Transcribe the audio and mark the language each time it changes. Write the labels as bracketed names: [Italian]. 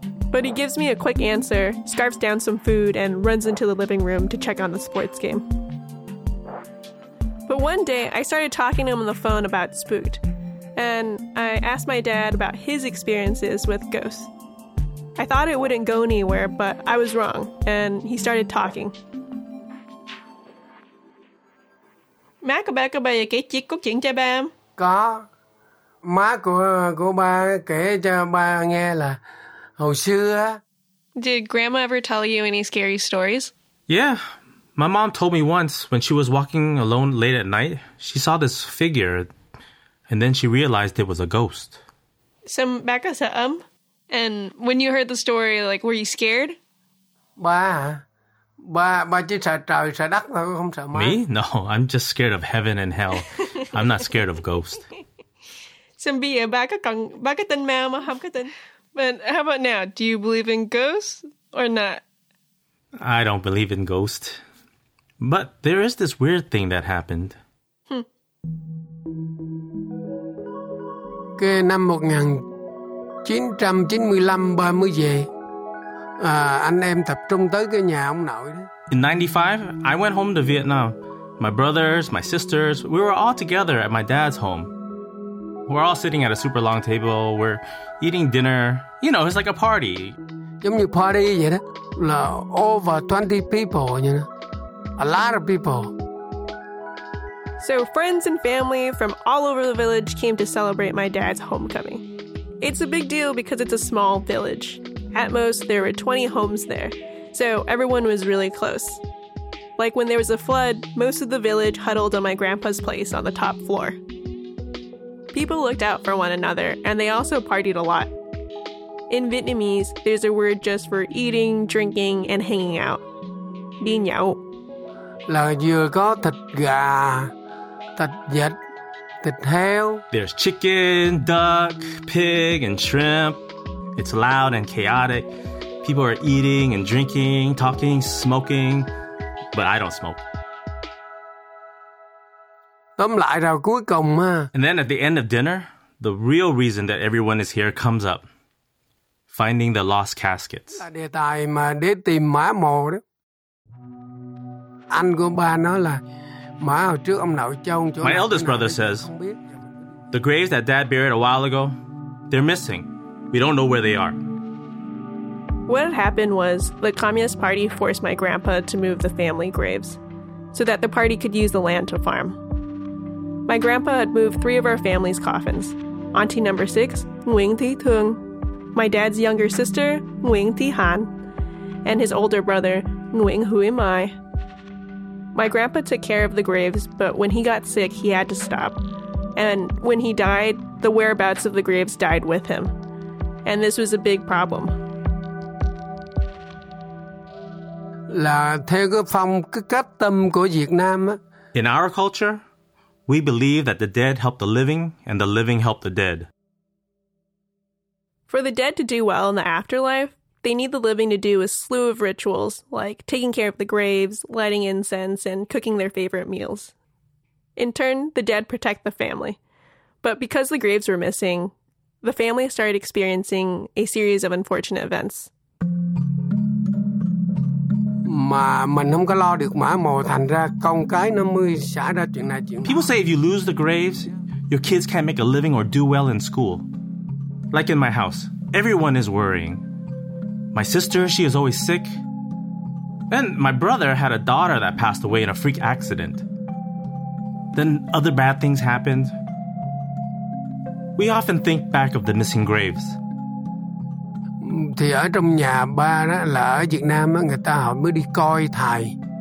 [English] But he gives me a quick answer, scarfs down some food, and runs into the living room to check on the sports game. But one day, I started talking to him on the phone about Spooked, and I asked my dad about his experiences with ghosts. I thought it wouldn't go anywhere, but I was wrong, and he started talking. [Vietnamese] Má của ba có bao giờ kể chiếc cốt chuyện cho ba không? Có. Má của ba kể cho ba nghe là hồi xưa. [English] Did grandma ever tell you any scary stories? Yeah. My mom told me once when she was walking alone late at night, she saw this figure, and then she realized it was a ghost. [Vietnamese] So, ba có sợ không? [English] And when you heard the story, like, were you scared? [Vietnamese] Ba chỉ sợ trời, sợ đất thôi, không sợ má. [English] Me? No, I'm just scared of heaven and hell. I'm not scared of ghosts. [Vietnamese] So, ba có tin ma mà không có tin. [English] But how about now? Do you believe in ghosts or not? I don't believe in ghosts. But there is this weird thing that happened. [Vietnamese] Cái năm 1995 ba mới về. Anh em tập trung tới cái nhà ông nội đó. [English] In 95, I went home to Vietnam. My brothers, my sisters, we were all together at my dad's home. We're all sitting at a super long table. We're eating dinner. You know, it's like a party. [Vietnamese] Giống như party vậy đó. Là [English] over 20 people, you know. A lot of people. So friends and family from all over the village came to celebrate my dad's homecoming. It's a big deal because it's a small village. At most, there were 20 homes there. So everyone was really close. Like when there was a flood, most of the village huddled on my grandpa's place on the top floor. People looked out for one another, and they also partied a lot. In Vietnamese, there's a word just for eating, drinking, and hanging out. [Vietnamese] Đi nhậu. Là vừa có thịt gà, thịt vịt, thịt heo. [English] There's chicken, duck, pig, and shrimp. It's loud and chaotic. People are eating and drinking, talking, smoking. But I don't smoke. [Vietnamese] Tóm lại rồi cuối cùng mà. [English] And then at the end of dinner, the real reason that everyone is here comes up. Finding the lost caskets. [Vietnamese] Là đề tài mà để tìm mã mồ đó. Anh của ba nói là mã hồi trước ông nội chôn chỗ. [English] My eldest brother says, the graves that dad buried a while ago, they're missing. We don't know where they are. What had happened was the Communist Party forced my grandpa to move the family graves so that the party could use the land to farm. My grandpa had moved three of our family's coffins. Auntie number 6, Nguyen Thi Thuong, my dad's younger sister, Nguyen Thi Han, and his older brother, Nguyen Huy Mai. My grandpa took care of the graves, but when he got sick, he had to stop. And when he died, the whereabouts of the graves died with him. And this was a big problem. [Vietnamese] Là theo cái phong cái cách tâm của Việt Nam á. [English] In our culture, we believe that the dead help the living and the living help the dead. For the dead to do well in the afterlife, they need the living to do a slew of rituals, like taking care of the graves, lighting incense, and cooking their favorite meals. In turn, the dead protect the family. But because the graves were missing, the family started experiencing a series of unfortunate events. [Vietnamese] Mà mình không có lo được mã mồ thành ra con cái nó mới xả ra chuyện này chuyện. [English] People say if you lose the graves, your kids can't make a living or do well in school. Like in my house, everyone is worrying. My sister, she is always sick. And my brother had a daughter that passed away in a freak accident. Then other bad things happened. We often think back of the missing graves. [Vietnamese] Thì ở trong nhà ba đó là ở Việt Nam á, người ta họ mới đi coi thầy.